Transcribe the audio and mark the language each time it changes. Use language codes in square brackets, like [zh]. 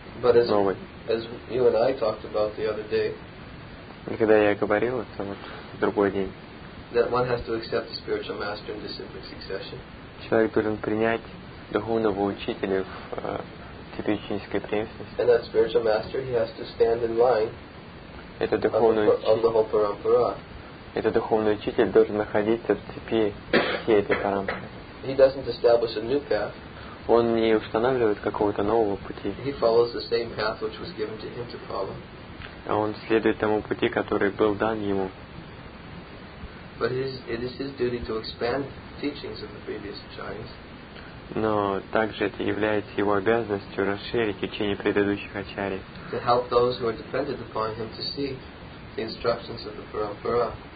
[en] But as you and I talked about the other day, [ru] когда я говорил это вот в другой день, [en] that one has to accept the spiritual master in disciplic succession. [ru] Человек должен принять духовного учителя в цепочинской преемственности. [en] And that spiritual master, he has to stand in line. [ru] Это духовный [en] of the whole parampara. [ru] Это духовный учитель должен находиться в цепи всей этой парампары. [en] He doesn't establish a new path. [ru] Он не устанавливает какого-то нового пути. [en] He follows the same path which was given to him to follow. [ru] А он следует тому пути, который был дан ему. [en] But it is his duty to expand teachings of the previous acharyas. [ru] Но также это является его обязанностью расширить учение предыдущих ачарий. [en] To help those who are dependent upon him to see the instructions of the parampara.